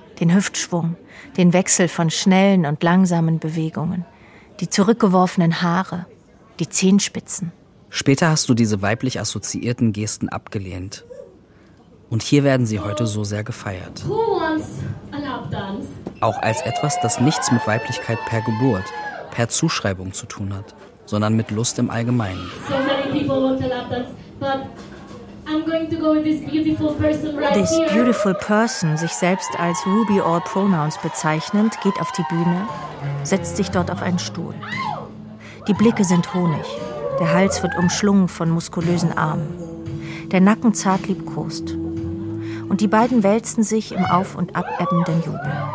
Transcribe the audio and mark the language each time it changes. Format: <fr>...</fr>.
<de>Den Hüftschwung, den Wechsel von schnellen und langsamen Bewegungen, die zurückgeworfenen Haare, die Zehenspitzen. Später hast du diese weiblich assoziierten Gesten abgelehnt. Und hier werden sie heute so sehr gefeiert.</de> <en>Who wants a lap dance?</en> <de>Auch als etwas, das nichts mit Weiblichkeit per Geburt, per Zuschreibung zu tun hat, sondern mit Lust im Allgemeinen.</de> <en>So many people want a lap dance, but I'm going to go with this beautiful person right this here. This beautiful person,</en> <de>sich selbst als Ruby All Pronouns bezeichnend, geht auf die Bühne, setzt sich dort auf einen Stuhl. Die Blicke sind Honig, der Hals wird umschlungen von muskulösen Armen. Der Nacken zart liebkost. Und die beiden wälzen sich im auf- und abebbenden Jubel.</de>